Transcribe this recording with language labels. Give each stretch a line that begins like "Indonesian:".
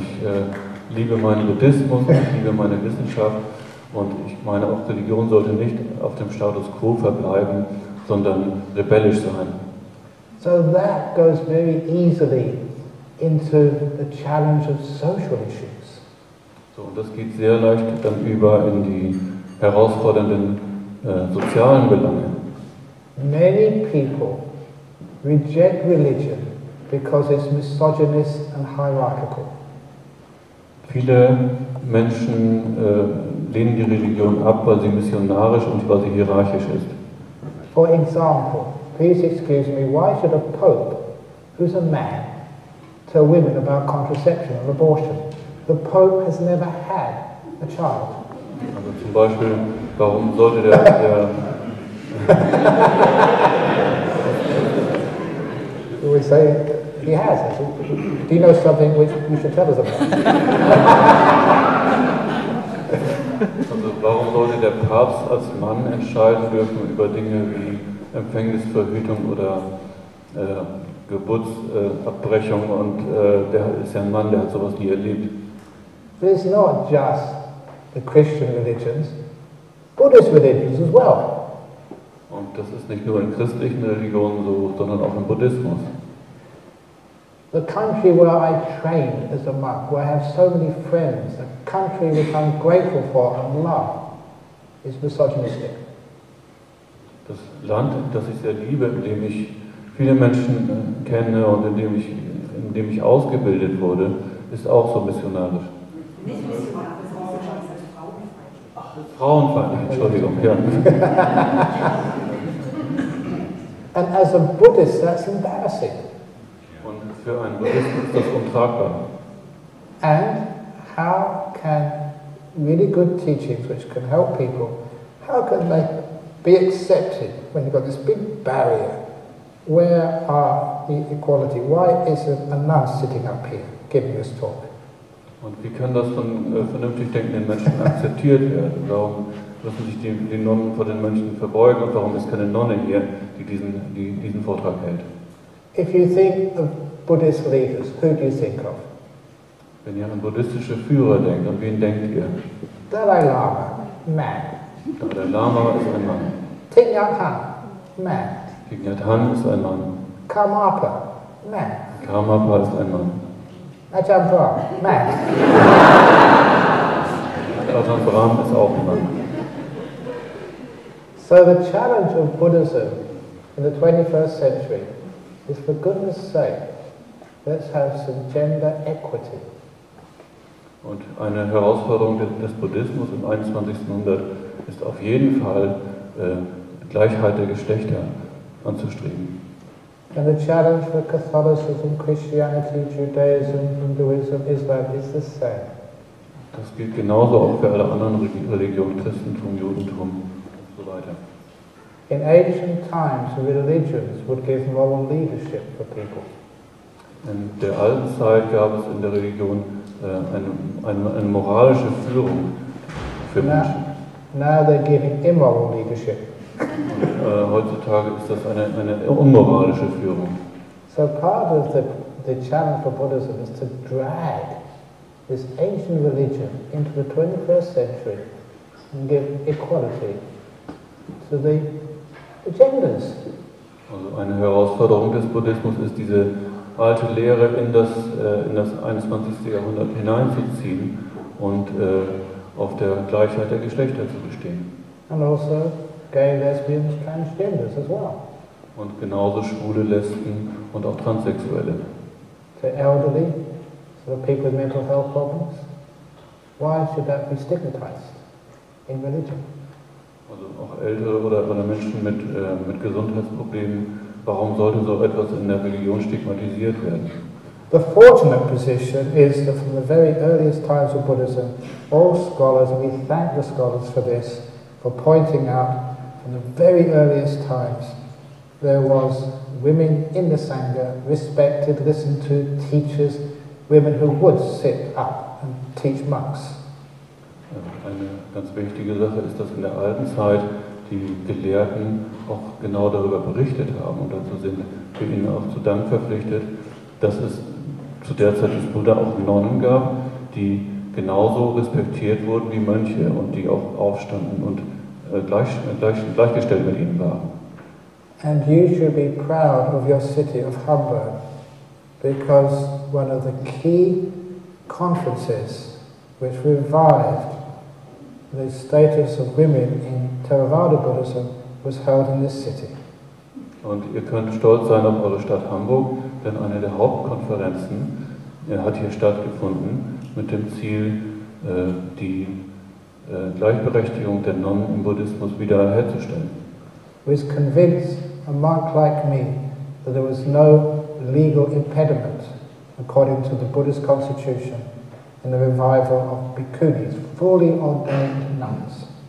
German: Ich liebe meinen Buddhismus, ich liebe meine Wissenschaft, und ich meine auch, Religion sollte nicht auf dem Status quo verbleiben, sondern rebellisch sein.
English: So that goes very easily into the challenge of social issues.
German: So, und das geht sehr leicht dann über in die herausfordernden sozialen Belange.
English: Many people reject religion because it's misogynist and hierarchical.
German: Viele Menschen lehnen die Religion ab, weil sie missionarisch und weil sie hierarchisch ist.
English: For example, please excuse me, why should a pope, who's a man, tell women about contraception or abortion? The Pope has never had a child.
German: Also zum Beispiel, warum sollte der
English: we say he has. Do you know something which you should tell us about?
German: Also warum sollte der Papst als Mann entscheiden dürfen über Dinge wie Empfängnisverhütung oder Geburtsabbrechung, und der ist ja ein Mann, der hat sowas nie erlebt.
English: But it's not just the Christian religions, Buddhist religions as well.
German: Und das ist nicht nur in christlichen Religionen so, sondern auch im Buddhismus.
English: The country where I trained as a monk, where I have so many friends, a country which I'm grateful for and love, is misogynistic.
German: Das Land, das ich sehr liebe, in dem ich viele Menschen kenne und in dem ich ausgebildet wurde, ist auch so missionarisch. Nicht frauenfeindlich, Entschuldigung, ja.
English: And as a Buddhist, that's embarrassing.
German: Und für einen Buddhisten ist das untragbar.
English: And how can really good teachings, which can help people, how can they be accepted when you've got this big barrier? Where are the equality? Why isn't a nun sitting up here giving this talk?
German: Und wie kann das von vernünftig denkenden Menschen akzeptiert werden? Warum müssen sich die Nonnen vor den Menschen verbeugen? Und warum ist keine Nonne hier, die diesen Vortrag hält?
English: If you think of Buddhist leaders, who do you think of?
German: Wenn ihr an buddhistische Führer denkt, an wen denkt ihr?
English: Dalai Lama, man.
German: Dalai Lama ist ein Mann.
English: Thich Nhat Hanh, man.
German: Thich Nhat Hanh ist ein Mann.
English: Karmapa, man.
German: Karmapa ist ein Mann.
English: Ajahn Brahm, man.
German: Ajahn Brahm ist auch ein Mann.
English: So the challenge of Buddhism in the 21st century is, for goodness sake, let's have some gender equity.
German: Und eine Herausforderung des Buddhismus im 21. Jahrhundert ist auf jeden Fall Gleichheit der Geschlechter anzustreben.
English: And the challenge for Catholicism, Christianity, Judaism, Hinduism, Islam is the same.
German: Das gilt genauso auch für alle anderen Religionen, Christentum, Judentum und so weiter.
English: In ancient times, religions would give moral leadership for people.
German: In der alten Zeit gab es in der Religion eine moralische Führung für Menschen.
English: Now they're giving immoral leadership.
German: Heutzutage ist das eine unmoralische Führung.
English: So part of the challenge for Buddhism is to drag this ancient religion into the 21st century and give equality to the agendas.
German: Also eine Herausforderung des Buddhismus ist, diese alte Lehre in das 21. Jahrhundert hineinzuziehen und auf der Gleichheit der Geschlechter zu bestehen.
English: And also gay, lesbians, transgenders as well.
German: Und genauso schwule Lesben und auch Transsexuelle.
English: The elderly, so the people with mental health problems. Why should that be stigmatized in religion?
German: Also auch Ältere oder Menschen mit Gesundheitsproblemen. Warum sollte so etwas in der Religion stigmatisiert werden?
English: The fortunate position is that from the very earliest times of Buddhism, all scholars, and we thank the scholars for this, for pointing out from the very earliest times, there was women in the Sangha, respected, listened to, teachers, women who would sit up and teach monks.
German: Eine ganz wichtige Sache ist, dass in der alten Zeit die Gelehrten auch genau darüber berichtet haben und dazu sind wir ihnen auch zu Dank verpflichtet, dass es zu der Zeit des Buddha auch Nonnen gab, die genauso respektiert wurden wie Mönche und die auch aufstanden und gleichgestellt mit ihnen waren.
English: And you should be proud of your city of Hamburg, because one of the key conferences which revived the status of women in Theravada Buddhism was held in this city.
German: Und ihr könnt stolz sein auf eure Stadt Hamburg, denn eine der Hauptkonferenzen hat hier stattgefunden mit dem Ziel, die Gleichberechtigung der Nonnen im Buddhismus wiederherzustellen.
English: Was convinced a monk like me that there was no legal impediment according to the Buddhist constitution in the revival of bhikkhunis, fully ordained nuns.